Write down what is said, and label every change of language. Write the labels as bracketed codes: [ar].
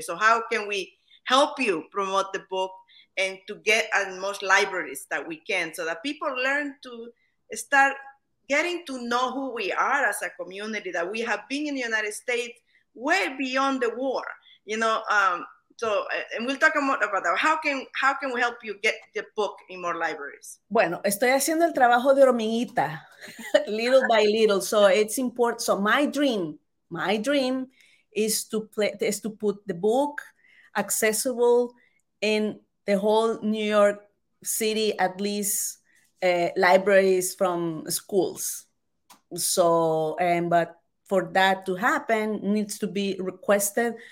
[en] So how can we help you promote the book and to get as much libraries that we can so that people learn to start getting to know who we are as a community, that we have been in the United States way beyond the war, you know? So, and we'll talk more about that. How can we help you get the book in more libraries? [es] Bueno, estoy haciendo el trabajo de hormiguita, [en] little by little. So it's important. So my dream is to put the book accessible in the whole New York City, at least libraries from schools. So, but for that to happen, needs to be requested.